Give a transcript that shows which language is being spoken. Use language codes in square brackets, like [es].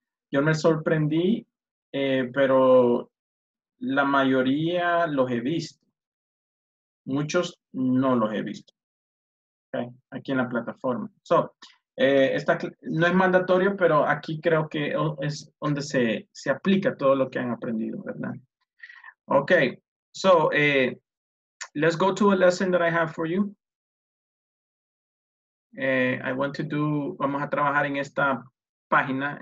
[es] Yo me sorprendí, pero la mayoría los he visto. Muchos no los he visto. Okay. Aquí en la plataforma. So, esta no es mandatorio, pero aquí creo que es donde se aplica todo lo que han aprendido, ¿verdad? Okay. [en] So, let's go to a lesson that I have for you. I want to do, [es] vamos a trabajar en esta página.